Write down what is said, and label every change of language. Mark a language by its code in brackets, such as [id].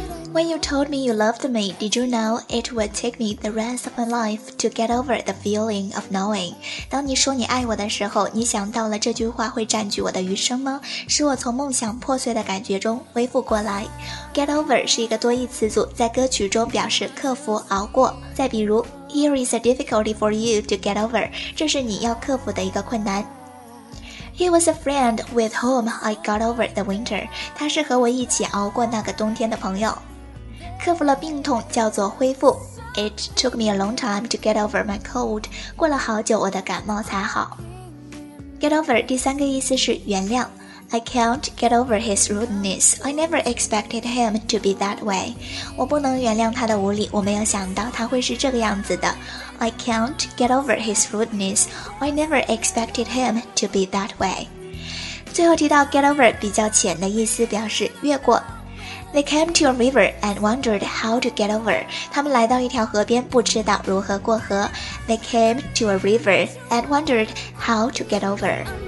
[en] When you told me you loved me, did you know it would take me the rest of my life to get over the feeling of knowing? [zh] 当你说你爱我的时候，你想到了这句话会占据我的余生吗？使我从梦想破碎的感觉中恢复过来。 [en] Get over [zh] 是一个多义词组，在歌曲中表示克服、熬过。再比如 [en] Here is a difficulty for you to get over， [zh] 这是你要克服的一个困难。 [en] He was a friend with whom I got over the winter. [zh] 他是和我一起熬过那个冬天的朋友。克服了病痛叫做恢复。 [en] It took me a long time to get over my cold. [zh] 过了好久我的感冒才好。 [en] Get over [zh] 第三个意思是原谅。 [en] I can't get over his rudeness. I never expected him to be that way. [zh] 我不能原谅他的无理，我没有想到他会是这个样子的。 [en] I can't get over his rudeness. I never expected him to be that way. [zh] 最后提到 [en] get over [zh] 比较浅的意思，表示越过。 [en] They came to a river and wondered how to get over. [zh] 他们来到一条河边，不知道如何过河。 [en] They came to a river and wondered how to get over.